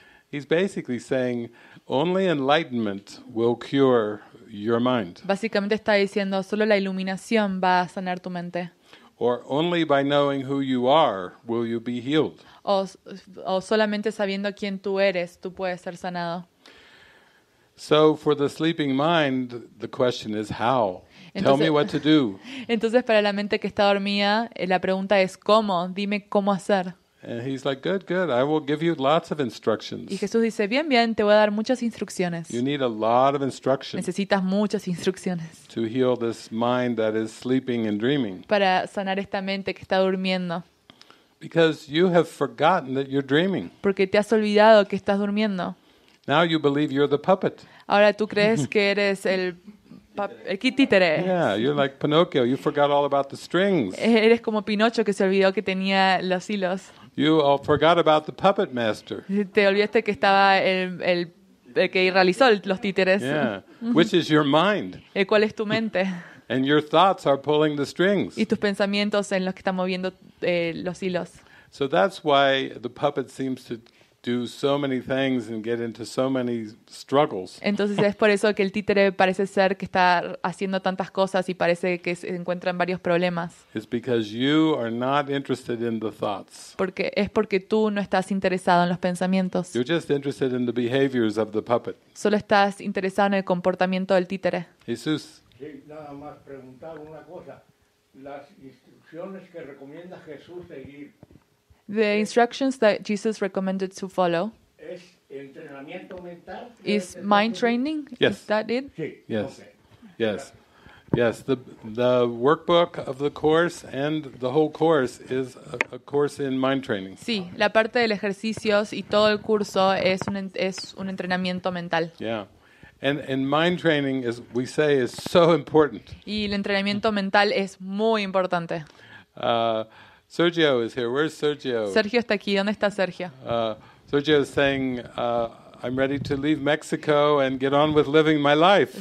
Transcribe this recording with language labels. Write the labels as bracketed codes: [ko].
[en] He's basically saying only enlightenment will cure your mind. [es] Básicamente está diciendo solo la iluminación va a sanar tu mente. [en] Or only by knowing who you are will you be healed. [es] O solamente sabiendo quién tú eres tú puedes ser sanado. [en] So for the sleeping mind the question is how. Tell me what to do. [es] Entonces para la mente que está dormida la pregunta es cómo, dime cómo hacer. [en] And he's like good, I will give you lots of instructions. [es] Y Jesús dice bien, te voy a dar muchas instrucciones. [en] You need a lot of instructions. [es] Necesitas muchas instrucciones. [en] To heal this mind that is sleeping and dreaming. [es] Para sanar esta mente que está durmiendo. [en] Because you have forgotten that you're dreaming. [es] Porque te has olvidado que estás durmiendo. [en] Now you believe you're the puppet. [es] Ahora tú crees que eres el títere. [en] Yeah, you're like Pinocchio. You forgot all about the strings. [es] Eres como Pinocho que se olvidó que tenía los hilos. [en] You all forgot about the puppet master. [es] Te olvidaste que estaba el que realizó los títeres. [en] Yeah. Which is your mind. [es] ¿El cuál es tu mente? [en] And your thoughts are pulling the strings. [es] Y tus pensamientos en los que están moviendo los hilos. [en] So that's why the puppet seems to do so many things and get into so many struggles. [es] Entonces es por eso que el títere parece ser que está haciendo tantas cosas y parece que se encuentra en varios problemas. [en] It's because you are not interested in the thoughts. [es] Porque es porque tú no estás interesado en los pensamientos. [en] You're just interested in the behaviors of the puppet. [es] Solo estás interesado en el comportamiento del títere. Jesús. Sí, nada más preguntar una cosa. Las instrucciones que recomienda Jesús seguir. [en] The instructions that Jesus recommended to follow. [es] Es entrenamiento mental. [en] Is mind training? Yes. Is that it? [es] Sí. [en] Yes. Okay. Yes. Yes. The workbook of the course and the whole course is a course in mind training. [es] Sí, la parte del ejercicios y todo el curso es un entrenamiento mental. [en] Yeah. And mind training, as we say, is so important. [es] Y el entrenamiento mental es muy importante. [en] Sergio is here. Where's Sergio? [es] Sergio está aquí. ¿Dónde está Sergio? [en] Sergio is saying, "I'm ready to leave Mexico and get on with living my life."